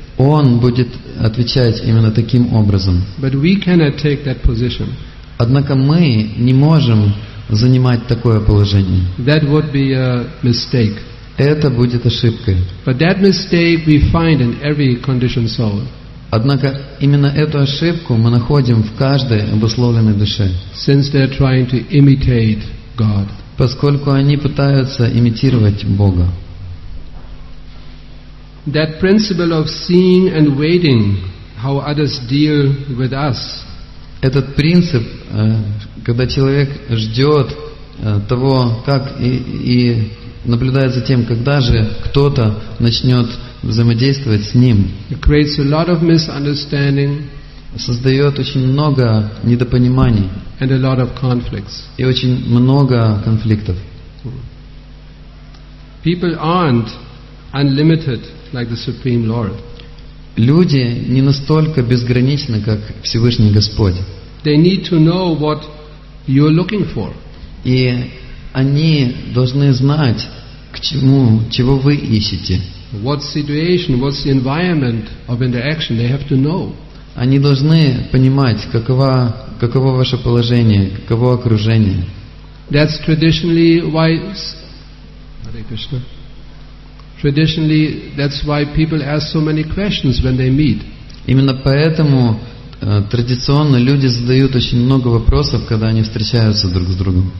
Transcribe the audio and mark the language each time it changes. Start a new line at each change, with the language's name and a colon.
Russian: Он будет отвечать именно таким образом.
English: But we cannot take that position.
Russian: Однако мы не можем занимать такое положение.
English: That would be a mistake.
Russian: Это будет ошибкой.
English: But that mistake we find in every conditioned soul.
Russian: Однако именно эту ошибку мы находим в каждой обусловленной душе.
English: Since they are trying to imitate God.
Russian: Поскольку они пытаются имитировать Бога.
English: That principle of seeing and waiting how others deal with us.
Russian: Этот принцип, когда человек ждет того, как и наблюдает за тем, когда же кто-то начнет взаимодействовать с ним,
English: creates a lot of misunderstanding,
Russian: создает очень много недопониманий
English: and a lot of conflicts.
Russian: И очень много конфликтов.
English: People aren't unlimited like the Supreme Lord.
Russian: Люди не настолько безграничны, как Всевышний Господь.
English: They need to know what you're looking for.
Russian: И они должны знать, к чему, чего вы ищете.
English: What situation, what's the environment of interaction? They have to know.
Russian: Они должны понимать, каково ваше положение, каково окружение.
English: That's traditionally why Hare Krishna. Traditionally, that's why people ask so many questions when they meet.
Russian: Именно поэтому традиционно люди задают очень много вопросов, когда они встречаются друг с другом.